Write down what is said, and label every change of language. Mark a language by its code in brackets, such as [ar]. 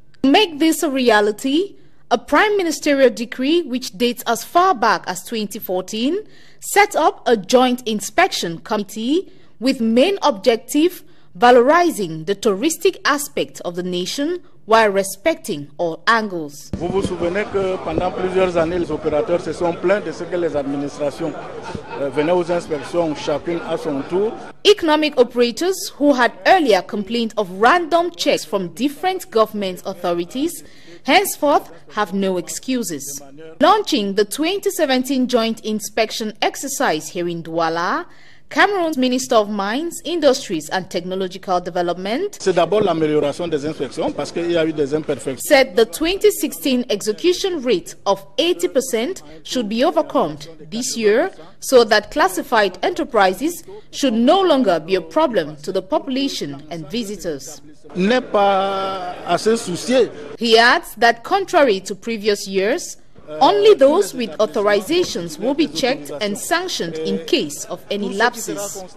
[en] To make this a reality, a prime ministerial decree which dates as far back as 2014 set up a joint inspection committee with main objective valorizing the touristic aspect of the nation while respecting all angles. [fr] Vous vous souvenez que pendant plusieurs années, les opérateurs se sont plaints de ce que les administrations venaient aux inspections chacune à son tour. [en] Economic operators who had earlier complained of random checks from different government authorities henceforth have no excuses. Launching the 2017 joint inspection exercise here in Douala, Cameroun's Minister of Mines, Industries and Technological Development, [fr] c'est d'abord l'amélioration des inspections parce qu'il y a eu des imperfections, [en] said the 2016 execution rate of 80% should be overcome this year so that classified enterprises should no longer be a problem to the population and visitors. [fr] N'est pas assez soucié. [en] He adds that contrary to previous years, only those with authorizations will be checked and sanctioned in case of any lapses.